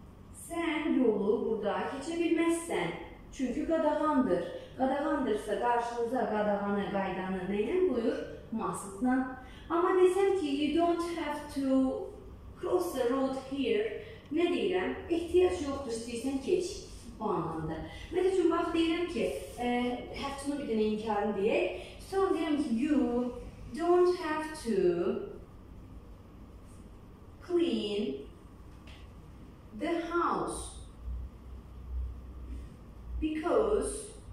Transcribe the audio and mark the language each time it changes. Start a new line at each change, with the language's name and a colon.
Azerbaijani: Sən yolu burada keçə bilməzsən. Çünki qadağandır. Qadağandırsa qarşınıza qadağanı, qaydanı nə ilə buyur? Masıqla. Amma desəm ki,
English: you don't have to cross the road here.
Azerbaijani: Nə deyirəm? Ehtiyac yoxdur, istəyirsən keç. O anlamda. Mən üçün bax deyirəm ki, have to-nu bir dənə inkarın deyək. Sonra deyirəm ki,
English: you don't have to clean the house because